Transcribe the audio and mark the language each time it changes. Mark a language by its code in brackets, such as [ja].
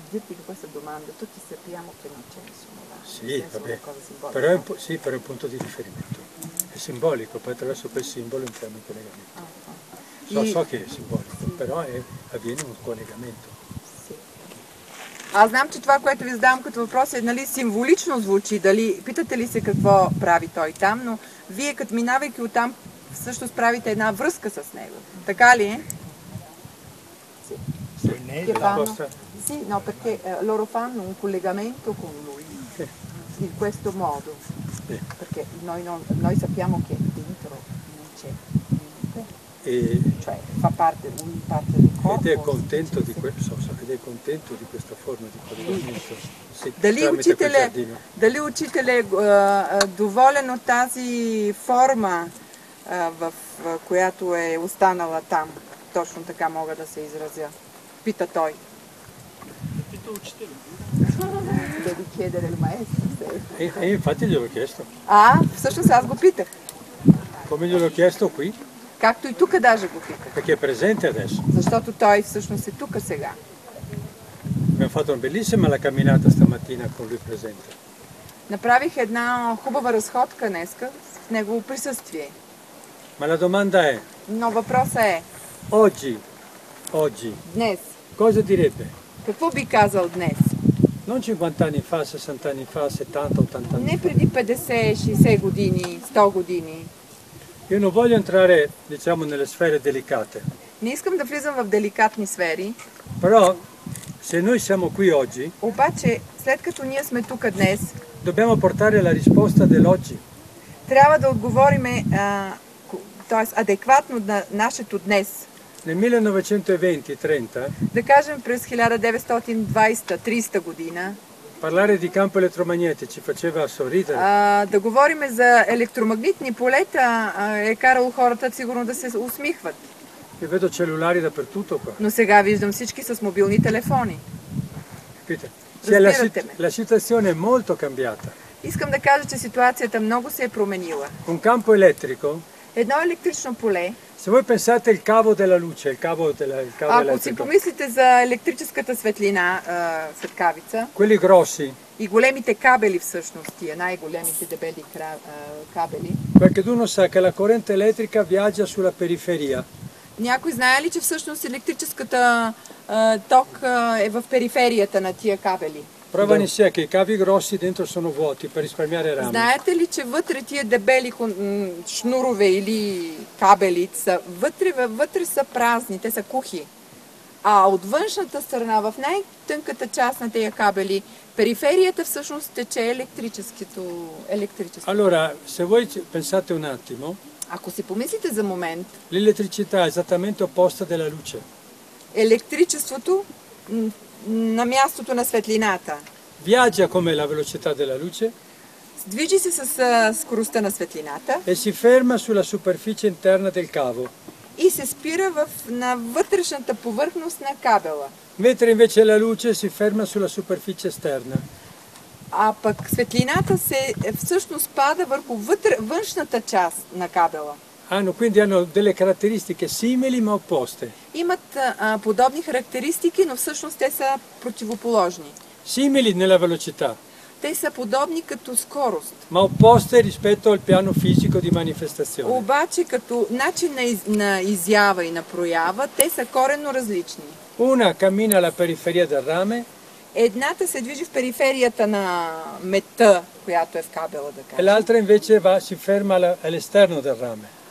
[it] Dirti che questa domanda tutti sappiamo che non c'è nessuno. Sì, vabbè. Però è però è un punto di riferimento. È simbolico, poi attraverso quel simbolo entriamo in collegamento. So che è simbolico, però avviene un collegamento. Sì. [bg] Аз знам, че това, което ви задавам като въпрос е, нали, символично звучи, дали питате ли се какво прави той там, но вие като минавайки оттам също правите една връзка с него. Така ли е? [it] Sì. Sì, nella vostra. Sì, no, perché loro fanno un collegamento con lui, in questo modo, perché noi sappiamo che dentro non c'è niente, cioè fa parte del corpo. Ed è contento di questo, ed è contento di questa forma di collegamento. [bg] Dali учителе доволен от тази форма, в която е останала там, точно така мога да се изразя, пита той. [it] Devi chiedere al maestro. E infatti glielo ho chiesto. [bg] Ah, всъщност аз го питах. [it] Come glielo ho chiesto qui? [bg] Както и тука даже го питах. [it] Perché è presente adesso. [bg] Защото той всъщност е тука сега. [it] Abbiamo fatto una bellissima la camminata stamattina con lui presente. [bg] Направих една хубава разходка днеска с негово присъствие. [it] Ma la domanda è. [bg] Но въпросът е. [it] Oggi. [bg] Днес. [it] Cosa direbbe? [bg] Какво би казал днес? [it] Non 50 anni fa, 60 anni fa, 70, 80 anni. [bg] Не преди 50-60 години, 100 години. [it] Io non voglio entrare, diciamo, nelle sfere delicate. [bg] Не искам да влизам в деликатни сфери. [it] Però se noi siamo qui oggi, [bg] обаче след като ние сме тук днес, [it] dobbiamo portare la risposta dell'oggi. [bg] Трябва да отговориме, тоест адекватно на нашето днес. [it] Nel 1920-30, [bg] да кажем през 1920-30 година, [it] parlare di campo elettromagnetici faceva sorridere. [bg] Да говорим за електромагнитни полета е карало хората сигурно да се усмихват. [it] Io vedo cellulari dappertutto qua. [bg] Но сега виждам всички с мобилни телефони. [it] Capite? Cioè, la situazione è molto cambiata. [bg] Искам да кажа, че ситуацията много се е променила. [it] Un campo elettrico. [bg] Едно електрично поле. [it] Se voi pensate il cavo della luce, il cavo della il cavo elettrico. [bg] Ако си помислите за електрическата светлина, светкавица. [it] Quelli grossi. [bg] И големите кабели всъщност, тия най-големите дебели кабели. [it] Qualcuno sa che la corrente elettrica viaggia sulla periferia. [bg] Някой знае ли, че всъщност електрическата ток е в периферията на тия кабели? [it] Provano sia che i cavi grossi dentro sono vuoti per risparmiare rame. [bg] Знаете ли, че вътре тия дебели шнурове или кабели са вътре са празни, те са кухи. А от външната страна, в най-тънката част на тези кабели, периферията всъщност тече електрическо. [it] Allora, se voi pensate un attimo. [bg] Ако си помислите за момент. [it] L'elettricità è esattamente opposta della luce. [bg] Електричеството на мястото на светлината. [it] Viaggia come la velocità della luce? [bg] Движи се със скоростта на светлината. [it] E si ferma sulla superficie interna del cavo. [bg] И се спира на вътрешната повърхност на кабела. [it] Mentre invece la luce si ferma sulla superficie esterna. [bg] А пък светлината се всъщност пада върху външната част на кабела. [it] Hanno quindi hanno delle caratteristiche simili ma opposte. [bg] Имат подобни характеристики, но всъщност те са противоположни. [it] Simili nella velocità. [bg] Те са подобни като скорост. [it] Ma opposte rispetto al piano fisico di manifestazione. [bg] Обаче като начин на изява и на проява, те са коренно различни. [it] Una cammina alla periferia del rame. [bg] Едната се движи в периферията на мета, която е в кабела, да кажем. [it] E l'altra invece va si ferma all'esterno del rame.